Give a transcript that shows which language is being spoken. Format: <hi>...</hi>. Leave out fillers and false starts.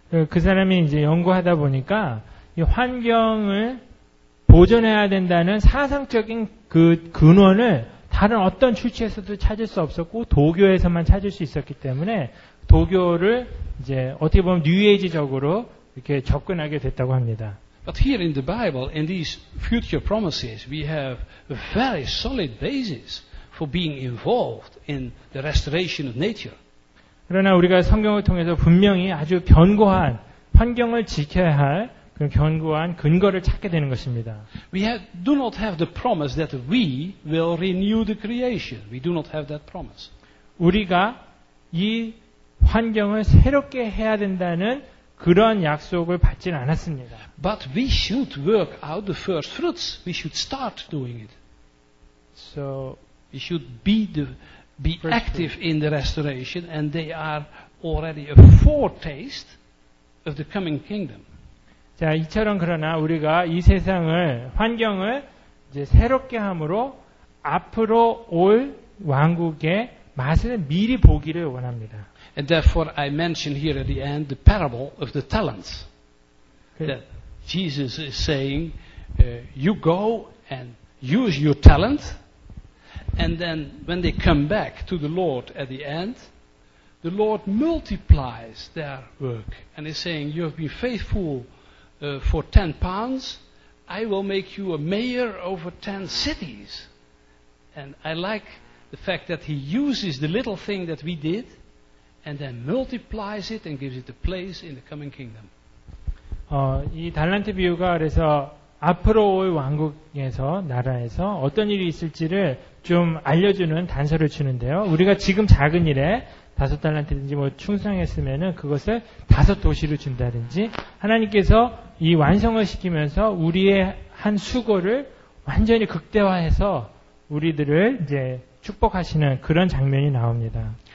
<ko>그 사람이 이제 연구하다 보니까 이 환경을 보존해야 된다는 사상적인 그 근원을 다른 어떤 출처에서도 찾을 수 없었고 도교에서만 찾을 수 있었기 때문에 도교를 이제 어떻게 보면 뉴에이지적으로 이렇게 접근하게 됐다고 합니다.</ko> <en>But here in the Bible, in these future promises, we have a very solid basis for being involved in the restoration of nature.</en> <ko>그러나 우리가 성경을 통해서 분명히 아주 견고한 환경을 지켜야 할 그 견고한 근거를 찾게 되는 것입니다.</ko> <en>We do not have the promise that we will renew the creation. We do not have that promise.</en> <ko>우리가 이 환경을 새롭게 해야 된다는 그런 약속을 받지는 않았습니다.</ko> <en>But we should work out the first fruits. We should start doing it. So we should be active in the restoration, and they are already a foretaste of the coming kingdom.</en> <ko>자, 이처럼 그러나 우리가 이 세상을 환경을 이제 새롭게 함으로 앞으로 올 왕국의 맛을 미리 보기를 원합니다.</ko> <en>And therefore I mention here at the end the parable of the talents. That Jesus is saying you go and use your talent and then when they come back to the Lord at the end the Lord multiplies their work and is saying you have been faithful for 10 pounds, I will make you a mayor over 10 cities. And I like the fact that he uses the little thing that we did and then multiplies it and gives it a place in the coming kingdom.</en> <ko>이 달란트 비유가 그래서 앞으로 올 왕국에서, 나라에서 어떤 일이 있을지를 좀 알려주는 단서를 주는데요. 우리가 지금 작은 일에 다섯 달란트든지 뭐 충성했으면은 그것을 다섯 도시로 준다든지 하나님께서 이 완성을 시키면서 우리의 한 수고를 완전히 극대화해서 우리들을 이제 축복하시는 그런 장면이 나옵니다.</ko>